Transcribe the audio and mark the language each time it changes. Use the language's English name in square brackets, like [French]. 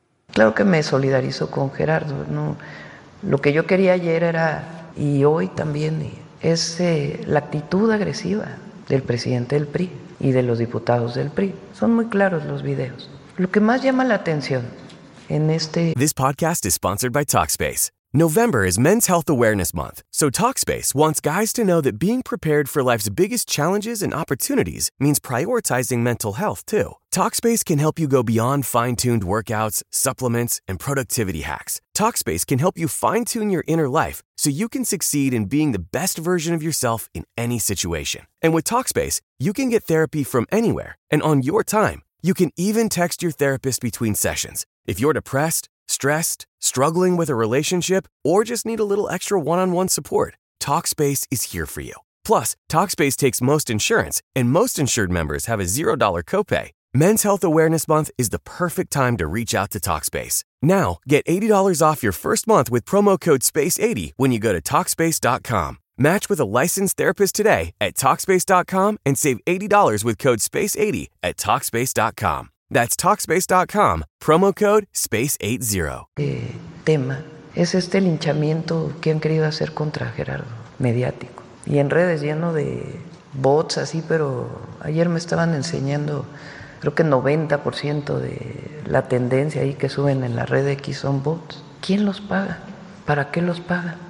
[Spanish] Claro que me solidarizo con Gerardo, ¿no? Lo que yo quería ayer era, y hoy también, es la actitud agresiva del presidente del PRI y de los diputados del PRI. Son muy claros los videos. Lo que más llama la atención en este... [English] This podcast is sponsored by Talkspace. November is Men's Health Awareness Month, so Talkspace wants guys to know that being prepared for life's biggest challenges and opportunities means prioritizing mental health, too. Talkspace can help you go beyond fine-tuned workouts, supplements, and productivity hacks. Talkspace can help you fine-tune your inner life so you can succeed in being the best version of yourself in any situation. And with Talkspace, you can get therapy from anywhere and on your time. You can even text your therapist between sessions. If you're depressed, stressed, struggling with a relationship, or just need a little extra one-on-one support, Talkspace is here for you. Plus, Talkspace takes most insurance, and most insured members have a $0 copay. Men's Health Awareness Month is the perfect time to reach out to Talkspace. Now, get $80 off your first month with promo code SPACE80 when you go to Talkspace.com. Match with a licensed therapist today at Talkspace.com and save $80 with code SPACE80 at Talkspace.com. That's Talkspace.com, promo code SPACE80. [Spanish] Tema es este linchamiento que han querido hacer contra Gerardo, mediático. Y en redes lleno de bots así, pero ayer me estaban enseñando, creo que 90% de la tendencia ahí que suben en la red X son bots. ¿Quién los paga? ¿Para qué los paga?